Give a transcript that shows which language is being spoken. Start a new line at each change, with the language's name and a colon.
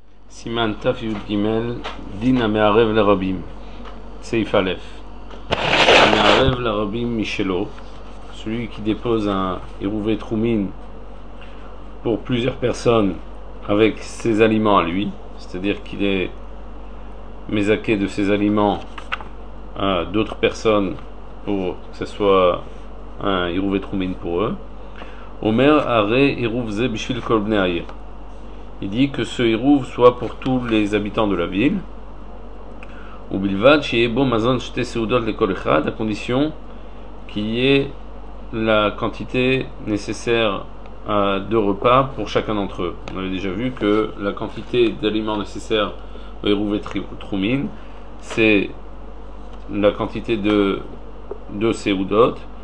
Hebrew: סימן תי"ג, דין המערב לרבים, סעיף א', המערב לרבים משלו,
French: celui qui dépose un עירובי תחומין pour plusieurs personnes avec ses aliments à lui, c'est-à-dire qu'il est mezaké de ses aliments à d'autres personnes pour que ce soit un עירובי תחומין pour eux.
Hebrew: אומר הרי עירוב זה בשביל כל בני העיר.
French: Il dit que ce hirouv soit pour tous les habitants de la ville.
Hebrew: Ou bilvad shiebo mazon shte seudot le kol echad,
French: à condition qu'il y ait la quantité nécessaire de repas pour chacun d'entre eux. On avait déjà vu que la quantité d'aliments nécessaire au hirouv et troumin, c'est la quantité de seudot.